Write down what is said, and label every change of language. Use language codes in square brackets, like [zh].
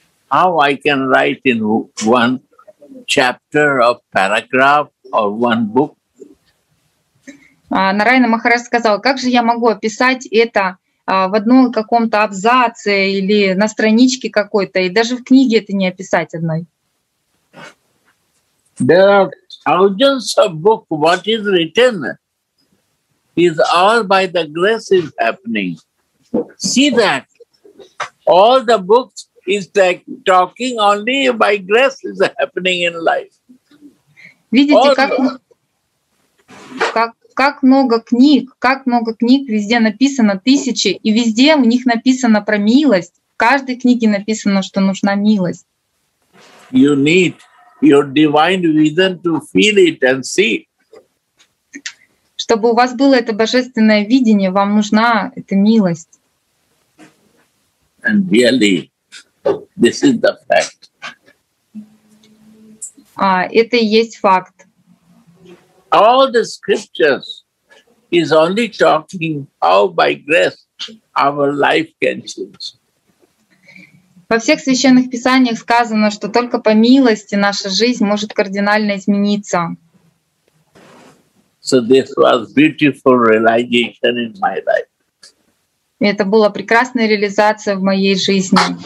[en] How I can write in one chapter or paragraph or one book? [ru] Нараяна Махарадж сказал, как же я могу описать это в одном каком-то абзаце или на страничке какой-то, и даже в книге это не описать одной. [en] There are thousands of books, what is written is all by the grace is happening. See that? All the books is like talking only by grace is happening in life. [ru] Видите, как много книг, как много книг, везде написано тысячи, и везде у них написано про милость. В каждой книге написано, что нужна милость. [en] You need your divine vision to feel it and see. [ru] Чтобы у вас было это божественное видение, вам нужна эта милость. [en] And really, this is the fact. [ru] Это и есть факт. [en] All the scriptures is only talking how by grace our life can change. [ru] Во всех священных писаниях сказано, что только по милости наша жизнь может кардинально измениться. [en] So this was beautiful realization in my life. [ru] Это была прекрасная реализация в моей жизни.